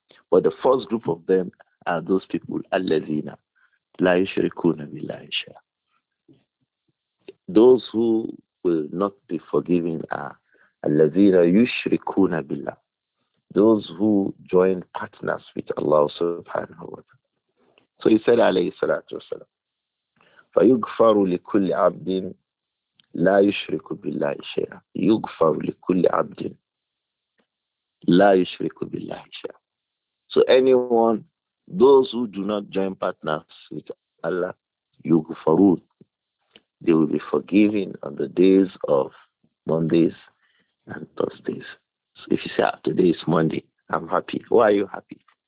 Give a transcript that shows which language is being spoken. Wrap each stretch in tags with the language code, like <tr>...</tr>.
<en>But the first group of them are those people,</en> <ar>الَّذِينَ لَا يُشْرِكُونَ بِاللَّهِ شَيْئًا.</ar> <en>Those who will not be forgiven are</en> <ar>الَّذِينَ يُشْرِكُونَ بِاللَّهِ.</ar> <en>Those who join partners with Allah subhanahu wa ta'ala. So he said,</en> <ar>alayhi salatu wasalam, فَيُغْفَرُ لِكُلِّ عَبْدٍ لا يشرك بالله شيئا يغفر لكل عبد لا يشرك بالله شيئا.</ar> <en>So anyone, those who do not join partners with Allah, يغفرون, they will be forgiven on the days of Mondays and Thursdays. So if you say, oh, today is Monday, I'm happy. Why are you happy?</en>